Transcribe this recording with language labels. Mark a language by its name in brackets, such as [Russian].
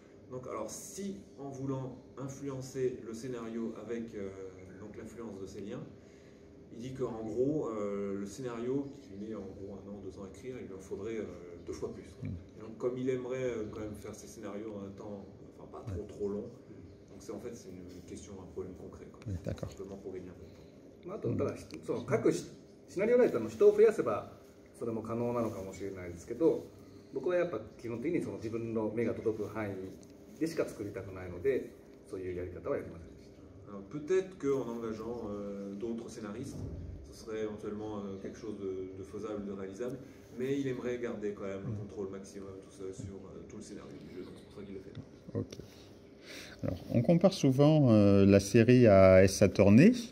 [French] Donc, alors, si en voulant influencer le scénario avec donc l'influence de ces liens, il dit qu'en gros, le scénario, qui met en gros 1 an, 2 ans à écrire, il lui en faudrait 2 fois plus. Et donc, comme il aimerait quand même faire ses scénarios en un temps, enfin, pas trop long, donc c'est en fait c'est une question, un problème concret. Quoi. Oui, d'accord. Simplement pour gagner un peu de temps. [Japanese] シナリオライターの人を増やせばそれも可能なのかもしれないですけど、僕はやっぱ基本的にその自分の目が届く範囲でしか作りたくないので、そういうやり方はやりませんでした。 [French] Alors, peut-être qu'en engageant d'autres scénaristes, ce serait éventuellement quelque chose de faisable, de réalisable, mais il aimerait garder quand même le contrôle maximum tout ça, sur tout le scénario du jeu, donc c'est pour ça qu'il le fait. Ok. Alors, on compare souvent la série à Ace Attorney.